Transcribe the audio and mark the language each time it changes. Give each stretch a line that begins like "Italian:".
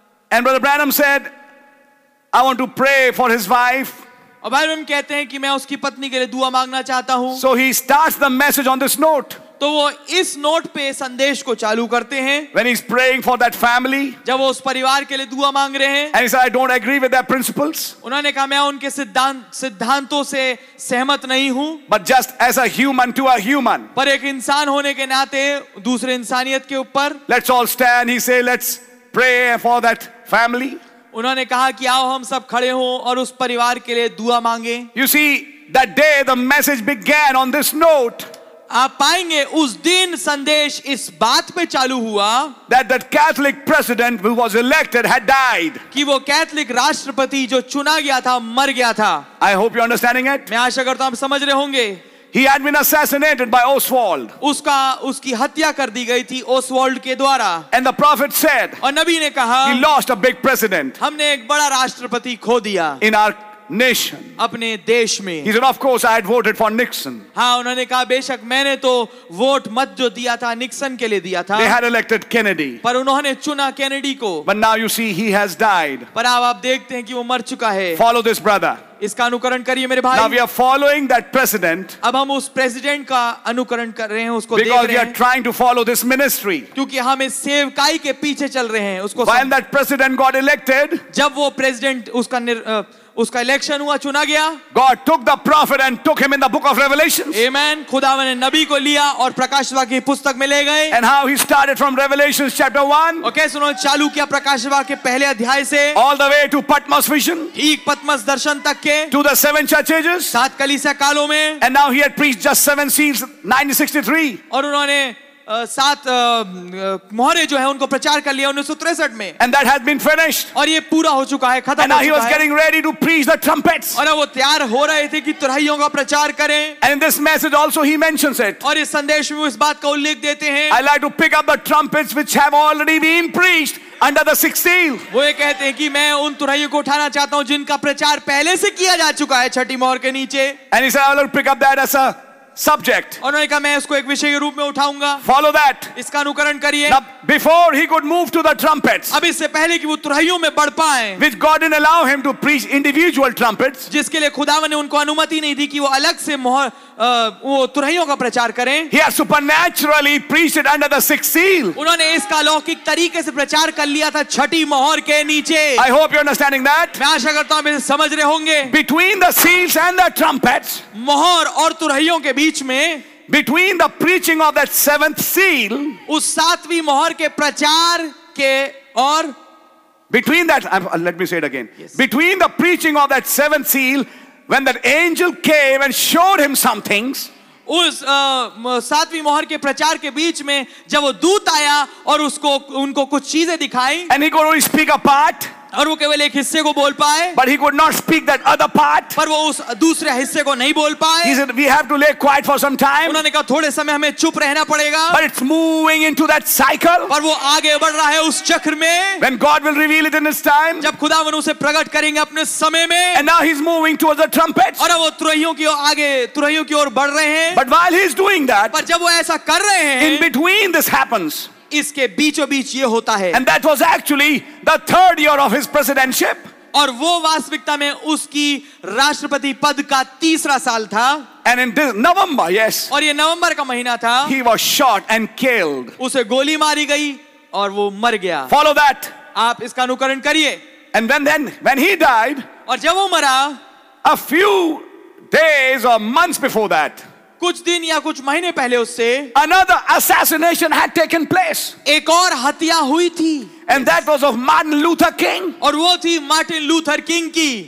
English: And Brother Branham said, "I want to pray for his wife."
Hindi: और भाई Branham कहते हैं कि मैं उसकी पत्नी के लिए दुआ मांगना चाहता हूँ.
English: So he starts the message on this note.
Hindi: तो वो इस नोट पे संदेश को चालू करते हैं.
English: When he's praying for that family.
Hindi: जब वो उस परिवार के लिए दुआ मांग रहे हैं.
English: And he said, "I don't agree with their principles."
Hindi: उन्होंने कहा मैं उनके सिद्धांतों से सहमत नहीं हूँ.
English: But just as a human to a human.
Hindi: पर एक इंसान होने के नाते दूसरे इंसानियत के ऊपर.
English: Let's all stand. He said, "Let's pray for that family."
Hindi: उन्होंने कहा कि आओ हम सब खड़े हों और उस परिवार के लिए दुआ मांगे.
English: You see, that day the message began on this note.
Hindi: आप पाएंगे उस दिन संदेश इस बात पे चालू हुआ.
English: That Catholic president who was elected had died.
Hindi: कि वो कैथलिक राष्ट्रपति जो चुना गया था मर गया था.
English: I hope you're understanding it.
Hindi: मैं आशा करता हूँ आप समझ रहे होंगे.
English: He had been assassinated by Oswald.
Hindi: उसका उसकी हत्या कर दी गई थी ओसवाल्ड के द्वारा.
English: And the prophet said.
Hindi: और नबी ने कहा.
English: He lost a big president.
Hindi: हमने एक बड़ा राष्ट्रपति खो दिया.
English: In our nation.
Hindi: अपने देश में.
English: He said, "Of course, I had voted for Nixon."
Hindi: हाँ, उन्होंने कहा बेशक मैंने तो वोट मत जो दिया था निक्सन के लिए दिया था.
English: They had elected Kennedy.
Hindi: पर उन्होंने चुना कैनेडी को.
English: But now you see, he has died.
Hindi: पर अब आप देखते हैं कि वो मर चुका है.
English: Follow this, brother.
Hindi: इसका अनुकरण करिए मेरे भाई.
English: Now we are following that president.
Hindi: अब हम उस प्रेसिडेंट का अनुकरण कर रहे हैं, उसको देख रहे हैं.
English: Because we are trying to follow this ministry.
Hindi: क्योंकि हम इस सेवकाई के पीछे चल रहे हैं, उसको.
English: When that president got elected.
Hindi: जब वो प्रेसिडेंट उसका उसका इलेक्शन हुआ चुना गया.
English: God took the prophet and took him in the book of Revelation. Amen.
Hindi: खुदा ने नबी को लिया और प्रकाशवा की पुस्तक में ले गए.
English: And how he started from Revelation chapter 1.
Hindi: Okay, सुनो चालू किया प्रकाशवा के पहले अध्याय से.
English: All the way to Patmos vision.
Hindi: एक पत्मस दर्शन तक के.
English: To the seven churches.
Hindi: सात कलीसिया कालों में.
English: And now he had preached just seven seals 1963.
Hindi: और उन्होंने सात मोहरे जो है उनको प्रचार कर लिया 1963 में.
English: And that has been finished.
Hindi: और ये पूरा हो चुका है, खत्म हो चुका है.
English: And he was getting ready to preach the trumpets.
Hindi: और वो तैयार हो रहे थे कि तुरहियों का प्रचार करें.
English: And in this message also he mentions it.
Hindi: और इस संदेश में वो इस बात का उल्लेख देते हैं.
English: I like to pick up the trumpets which have already been preached under the sixth seal.
Hindi: वो ये कहते हैं कि मैं उन तुरहियों को उठाना चाहता हूँ जिनका प्रचार पहले से किया जा चुका है छठी मोहर के नीचे.
English: And he said, "I'll pick up that as a subject."
Hindi: उन्होंने कहा मैं इसको एक विषय के रूप में उठाऊंगा.
English: Follow that.
Hindi: इसका अनुकरण करिए.
English: Before he could move to the trumpets.
Hindi: अब इससे पहले कि वो तुरहियों में बढ़ पाए.
English: Which God didn't allow him to preach individual trumpets.
Hindi: जिसके लिए खुदावन ने उनको अनुमति नहीं दी कि वो अलग से मोहर वो तुरहियों का प्रचार करें.
English: He has supernaturally preached it under the sixth seal.
Hindi: उन्होंने इसका अलौकिक तरीके से प्रचार कर लिया था छठी मोहर के नीचे.
English: I hope you're understanding that.
Hindi: मैं आशा करता हूँ आप समझ रहे होंगे.
English: Between the seals and the trumpets.
Hindi: मोहर और तुरहियों के बीच में.
English: Between the preaching of that seventh seal.
Hindi: उस सातवीं मोहर के प्रचार के और.
English: Between that, let me say it again. Yes. Between the preaching of that seventh seal. When that angel came and showed him some things.
Hindi: उस सातवीं मोहर के प्रचार के बीच में जब वो दूत आया और उसको उनको कुछ चीजें दिखाई.
English: And he could only speak a part.
Hindi: और वो केवल एक हिस्से को बोल पाए.
English: But he could not speak that other part.
Hindi: पर वो उस दूसरे हिस्से को नहीं बोल पाए.
English: He said, "We have to lay quiet for some time."
Hindi: उन्होंने कहा थोड़े समय हमें चुप रहना पड़ेगा.
English: But it's moving into that cycle.
Hindi: पर वो आगे बढ़ रहा है उस चक्र में.
English: When God will reveal it in his time.
Hindi: जब खुदा वन उसे प्रकट करेंगे अपने समय में.
English: And now he's moving towards the trumpets.
Hindi: और वो तुरहियों की ओर आगे तुरहियों की ओर बढ़ रहे हैं.
English: But while he's doing that.
Hindi: पर जब वो ऐसा कर रहे हैं.
English: In between this happens.
Hindi: इसके बीचों बीच ये होता है.
English: And that was actually the third year of his presidentship.
Hindi: और वो वास्तविकता में उसकी राष्ट्रपति पद का तीसरा साल था.
English: And in this November, yes.
Hindi: और ये नवंबर का महीना था.
English: He was shot and killed.
Hindi: उसे गोली मारी गई और वो मर गया.
English: Follow that.
Hindi: आप इसका अनुकरण करिए.
English: And when he died.
Hindi: और जब वो मरा.
English: A few days or months before that.
Hindi: कुछ दिन या कुछ महीने पहले उससे
English: another assassination had taken place.
Hindi: एक और हत्या हुई थी.
English: And that was of Martin Luther King.
Hindi: और वो थी मार्टिन लूथर किंग की.